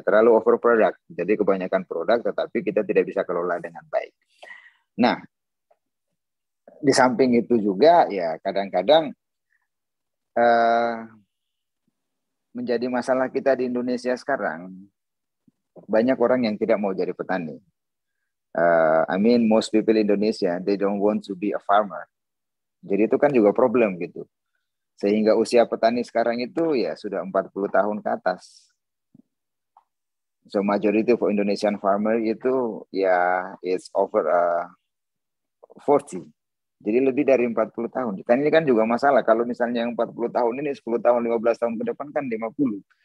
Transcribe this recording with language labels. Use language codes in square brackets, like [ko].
[id] Terlalu overproduct, jadi kebanyakan produk tetapi kita tidak bisa kelola dengan baik. Nah, di samping itu juga ya kadang-kadang menjadi masalah kita di Indonesia sekarang, banyak orang yang tidak mau jadi petani. [en] Most people in Indonesia, they don't want to be a farmer. [id] Jadi itu kan juga problem gitu. Sehingga usia petani sekarang itu ya sudah 40 tahun ke atas. [en] So majority of Indonesian farmer [id] itu ya [en] it's over 40. [id] Jadi lebih dari 40 tahun. Dan ini kan juga masalah. Kalau misalnya yang 40 tahun ini 10 tahun, 15 tahun ke depan kan 50.